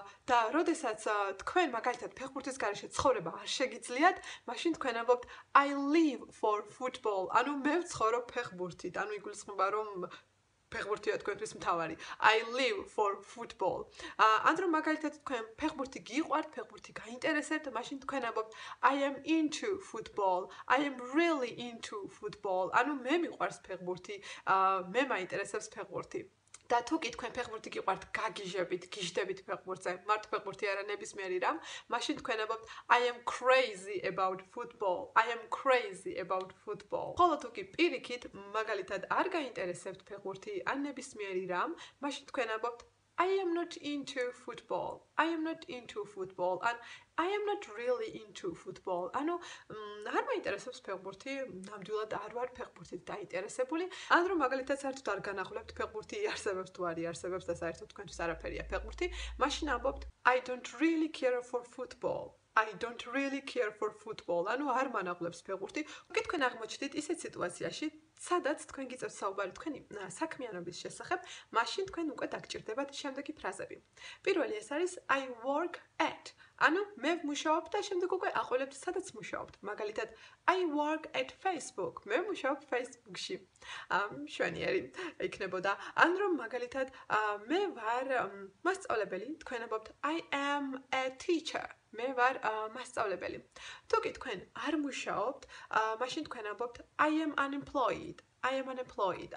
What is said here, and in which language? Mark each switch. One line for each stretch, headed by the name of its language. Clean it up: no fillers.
Georgian: და როდესაც თქვენ მაგალითად ფეხბურთის გარეშე ცხოვრება არ შეგიძლიათ, მაშინ თქვენ ამბობთ
English: I live for football.
Georgian: ანუ მე ვცხოვრობ ფეხბურთით, ანუ იგულისხმება რომ ფეხბურთია თქვენთვის მთავარი.
English: I live for football.
Georgian: ან რომ მაგალითად თქვენ ფეხბურთი გიყვართ, ფეხბურთი გაინტერესებთ, მაშინ თქვენ ამბობთ
English: I am into football. I am really into football.
Georgian: ანუ მე მიყვარს ფეხბურთი, მე მაინტერესებს ფეხბურთი. და თუ კი თქვენ ფეხბურთი გიყვართ, გაგიჟებით, გიჟდებით ფეხბურთზე, მართ ფეხბურთი არა ნებისმიერი რამ, მაშინ თქვენ ამბობთ
English: I am crazy about football. I am crazy about football.
Georgian: ხოლო თუ კი პირიქით, მაგალითად, არ გაინტერესებთ ფეხბურთი ან ნებისმიერი რამ, მაშინ თქვენ ამბობთ
English: I am not into football. I am not into football. And I am not really into football.
Georgian: ანუ არ მაინტერესებს ფეხბურთი, ნამდვილად არ ვარ ფეხბურთით დაინტერესებული. ან რომ მაგალითად საერთოდ არ განახლებთ ფეხბურთი, არსებებს თუ არ იარსებებს და საერთოდ თქვენთვის არაფერია ფეხბურთი, მაშინ ამბობთ
English: I don't really care for football. I don't really care for football.
Georgian: ანუ არ მანაღლებს ფეხბურთი. კი თქვენ აღმოჩნდით ისეთ სიტუაციაში, სადაც თქვენ გიწევთ საუბარი თქვენი საქმიანობის შესახებ, მაშინ თქვენ უკვე დაგჭირდებათ შემდეგი ფრაზები. პირველი ეს არის
English: I work at.
Georgian: ანუ მე ვმუშაობ და შემდეგ უკვე აყოლებთ სადაც მუშაობთ. მაგალითად
English: I work at Facebook.
Georgian: მე ვმუშაობ Facebook-ში. შვენიერი იქნებოდა. ან რომ მაგალითად მე ვარ მასწავლებელი, თქვენ ამბობთ
English: I am a teacher.
Georgian: მე ვარ მასწავლებელი. თუ კი თქვენ არ მუშაობთ, მაშინ თქვენ ამბობთ
English: I am unemployed. I am unemployed.